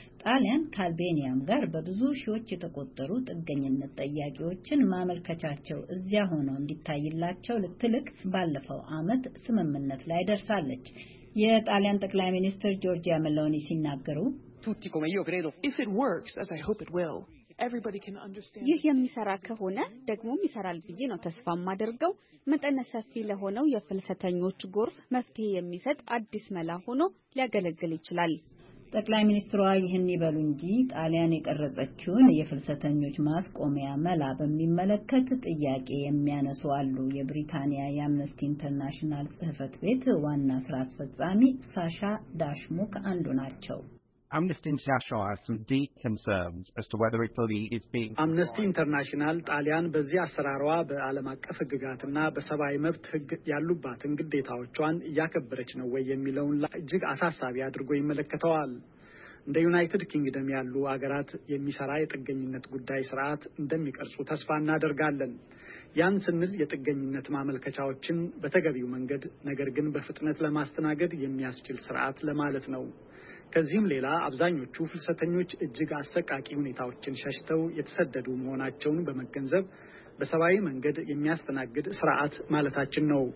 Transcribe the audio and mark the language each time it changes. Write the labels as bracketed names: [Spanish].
[Amharic] ጣሊያን ካልቤኒያም ጋር በብዙ ሺዎች የተቆጠሩ ጥገኝነት ጠያቂዎችን ማመልከቻቸው እዚያ ሆኖ እንዲታይላቸው ለትልቅ ባለፈው አመት ስምምነት ላይ ደርሳለች። የጣሊያን ጠቅላይ ሚኒስትር ጆርጂያ መሎኒ ሲናገሩ [Italian] Tutti come io credo [English] if it works as I hope it will everybody can understand [Amharic] ይህ የሚሰራ ከሆነ ደግሞ ይሰራል ብዬ ነው ተስፋ ማደርገው መጠነ ሰፊ ለሆነው የፍልሰተኞች ጎርፍ መፍትሄ የሚሰጥ አዲስ መላ ሆኖ ሊያገለግል ይችላል። ጠቅላይ ሚኒስትሯ ይህን ይበሉ እንጂ ጣሊያን የቀረጸችውን የፍልሰተኞች ማስቆሚያ መላ በሚመለከት ጥያቄ የሚያነሱ አሉ። የብሪታንያ የአምነስቲ ኢንተርናሽናል ጽህፈት ቤት ዋና ስራ አስፈጻሚ ሳሻ ዳሽሙክ አንዱ ናቸው። [English] Amnesty International has some deep concerns as to whether it really is being [Amharic] Amnesty International ጣሊያን በዚህ አሰራሯ በአለም አቀፍ ህግጋትና በሰብአዊ መብት ህግ ያሉባትን ግዴታዎቿን ያከበረች ነው ወይ የሚለውን እጅግ አሳሳቢ አድርጎ ይመለከተዋል። እንደ ዩናይትድ ኪንግደም ያሉ አገራት የሚሰራ የጥገኝነት ጉዳይ ስርዓት እንደሚቀርጹ ተስፋ እናደርጋለን። ያን ስንል የጥገኝነት ማመልከቻዎችን በተገቢው መንገድ ነገር ግን በፍጥነት ለማስተናገድ የሚያስችል ስርዓት ለማለት ነው። ከዚህም ሌላ አብዛኞቹ ፍልሰተኞች እጅግ አስቀቃቂ ሁኔታዎችን ሸሽተው የተሰደዱ መሆናቸውን በመገንዘብ በሰባዊ መንገድ የሚያስተናግድ ፍርሃት ማለታችን ነው።